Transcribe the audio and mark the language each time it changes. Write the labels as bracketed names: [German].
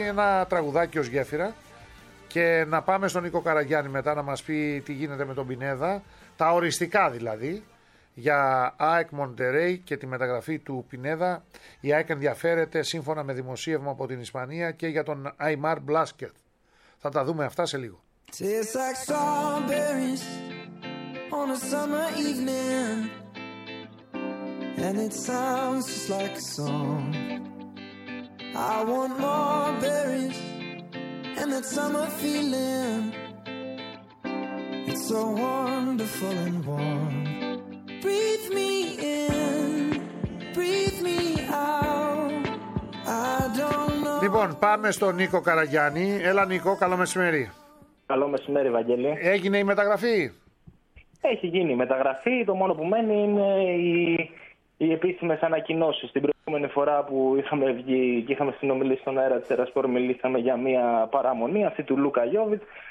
[Greek] Ένα τραγουδάκι ως γέφυρα. Και να πάμε στον Νίκο Καραγιάννη μετά να μας πει τι γίνεται με τον Πινέδα. Τα οριστικά δηλαδή για ΑΕΚ Μοντερέι και τη μεταγραφή του Πινέδα. Η ΑΕΚ ενδιαφέρεται σύμφωνα με δημοσίευμα από την Ισπανία και για τον Αϊμάρ Μπλάσκετ. Θα τα δούμε αυτά σε λίγο. [English] Tastes like strawberries on a summer evening, and it sounds just like a song. I want more berries and that summer feeling. It's so wonderful and warm. Breathe me in, breathe me out. I don't know. [Greek] Λοιπόν, πάμε στον Νίκο Καραγιάννη. Έλα Νίκο, καλό μεσημέρι. Καλό μεσημέρι, Βαγγέλη. Έγινε η μεταγραφή. Έχει γίνει η μεταγραφή. Το μόνο που μένει είναι οι επίσημες ανακοινώσεις. Την προηγούμενη φορά που είχαμε βγει και είχαμε συνομιλήσει στον αέρα της Ερασπορ, μιλήσαμε για μια παραμονή αυτή του Λούκα Γιόβιτ.